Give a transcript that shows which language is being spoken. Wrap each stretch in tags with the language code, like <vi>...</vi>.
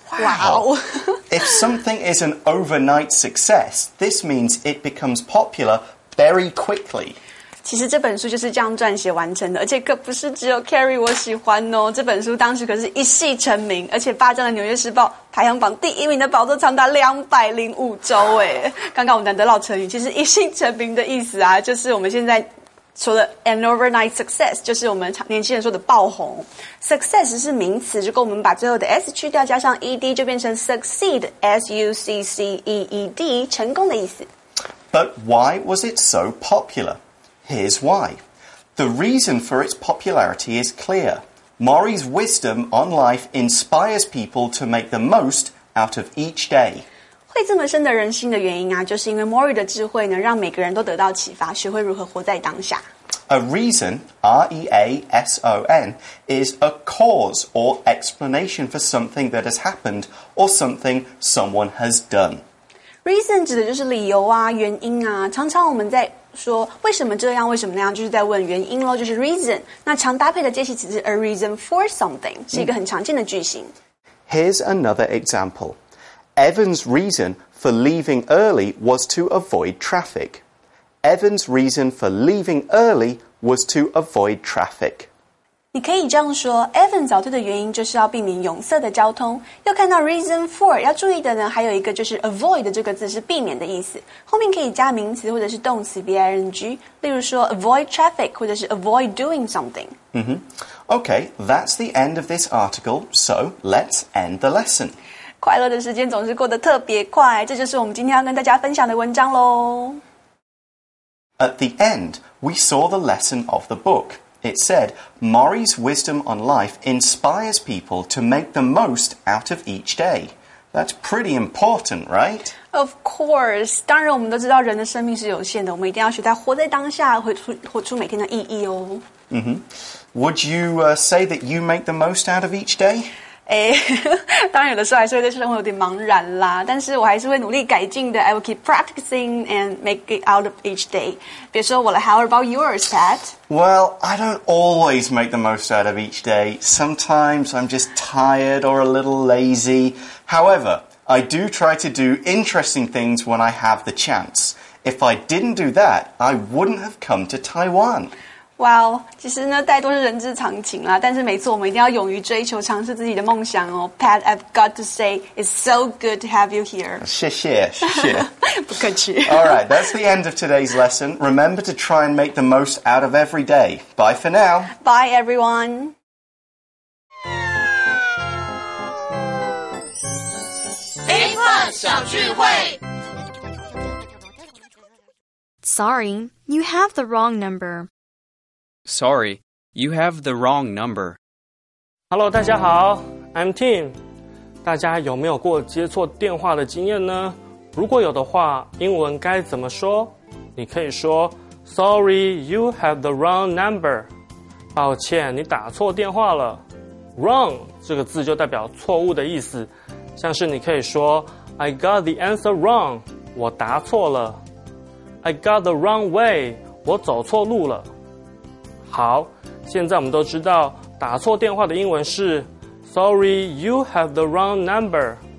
<en>Wow! If something is an overnight success, this means it becomes popular very quickly.</en> <zh>其实这本书就是这样撰写完成的，而且可不是只有 Carrie 我喜欢哦。这本书当时可是一系成名，而且霸占了《纽约时报》排行榜第一名的宝座长达205周耶。刚刚我们难得唠成语，其实一系成名的意思啊，就是我们现在除了</zh> <en>an overnight success，</en> <zh>就是我们年轻人说的爆红。 Success 是名词，如果我们把最后的 s 去掉，加上 ed， 就变成 succeed， S-U-C-C-E-E-D， 成功的意思。</zh> <en>But why was it so popular? Here's why. The reason for its popularity is clear. Maury's wisdom on life inspires people to make the most out of each day.</en> <zh>会这么深得人心的原因啊，就是因为 Maury 的智慧呢，让每个人都得到启发，学会如何活在当下。</zh> <en>A reason, R-E-A-S-O-N, is a cause or explanation for something that has happened or something someone has done.</en> <zh>Reason 指的就是理由啊，原因啊，常常我们在说为什么这样为什么那样就是在问原因咯就是 reason 那常搭配的介系词是</zh> <en>a reason for something</en> <zh>是一个很常见的句型</zh> <en>Here's another example Evan's reason for leaving early was to avoid traffic Evan's reason for leaving early was to avoid traffic</en> <zh>你可以这样说 Evan 早退的原因就是要避免拥塞的交通又看到 reason for 要注意的呢还有一个就是 avoid 这个字是避免的意思后面可以加名词或者是动词 V-I-N-G 例如说 avoid traffic 或者是</zh> <en>avoid doing something、 Okay, that's the end of this article So let's end the lesson</en> <zh>快乐的时间总是过得特别快这就是我们今天要跟大家分享的文章咯</zh> <en>At the end, we saw the lesson of the bookIt said, Maury's wisdom on life inspires people to make the most out of each day. That's pretty important, right? Of course.</en> <zh>当然我们都知道人的生命是有限的。我们一定要学在活在当下活出每天的意义哦。</zh> <en>Would you say that you make the most out of each day?</en> <zh>哎，当然有的时候还是会对生活有点茫然啦，但是我还是会努力改进的。</zh> <en>I will keep practicing and make it out of each day.</en> <zh>比如说我的</zh> <en>How about yours, Pat? Well, I don't always make the most out of each day. Sometimes I'm just tired or a little lazy. However, I do try to do interesting things when I have the chance. If I didn't do that, I wouldn't have come to Taiwan.</en> <zh>哇、wow, 其实呢怠惰是人之常情啦，但是没错，我们一定要勇于追求尝试自己的梦想哦。</zh> <en>Pat, I've got to say, it's so good to have you here.</en> <zh>谢谢不客气。</zh> <en>Alright, that's the end of today's lesson. Remember to try and make the most out of every day. Bye for now. Bye everyone. Sorry, you have the wrong number. Sorry, you have the wrong number. Hello, 大家好 I'm Tim.</en> <zh>大家有没有过接错电话的经验呢？如果有的话，英文该怎么说？你可以说</zh> <en>Sorry, you have the wrong number.</en> <zh>抱歉，你打错电话了。 Wrong 这个字就代表错误的意思，像是你可以说</zh> <en>I got the answer wrong.</en> <zh>我答错了。</zh> <en>I got the wrong way.</en> <zh>我走错路了。好，现在我们都知道打错电话的英文是</zh> <en>Sorry, you have the wrong number.</en>